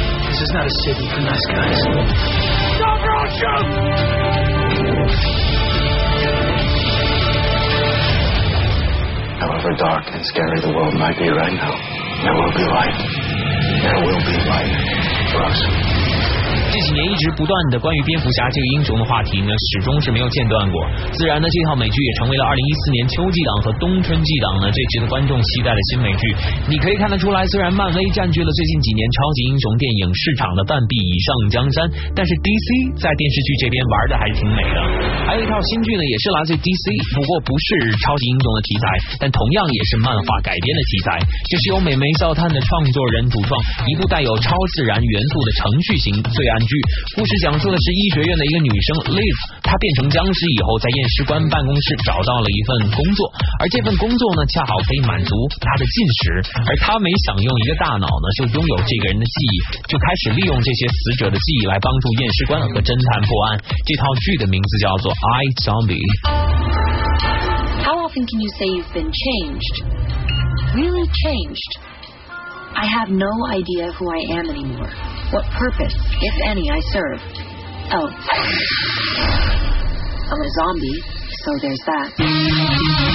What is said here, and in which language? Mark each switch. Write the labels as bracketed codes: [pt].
[en] This is not a city for nice guys. Stop, Roger! However dark and scary the world might be right now, there will be light. There will be light for us. [zh] 这几年一直不断的关于蝙蝠侠这个英雄的话题呢，始终是没有间断过。自然呢，这套美剧也成为了2014年秋季档和冬春季档呢最值得观众期待的新美剧。你可以看得出来，虽然漫威占据了最近几年超级英雄电影市场的半壁以上江山，但是 DC 在电视剧这边玩的还是挺美的。还有一套新剧呢，也是来自 DC， 不过不是超级英雄的题材，但同样也是漫画改编的题材。这是由美媒笑探的创作人主创，一部带有超自然元素的程序型罪案。故事讲述的是医学院的一个女生 Liz， 她变成僵尸以后在验尸官办公室找到了一份工作，而这份工作呢恰好可以满足她的进食，而她没想用一个大脑呢就拥有这个人的记忆，就开始利用这些死者的记忆来帮助验尸官和侦探破案。这套剧的名字叫做 I Zombie。 [en] How often can you say you've been changed? Really changed? I have no idea who I am anymore. What purpose, if any, I serve. Oh. I'm a zombie, so there's that.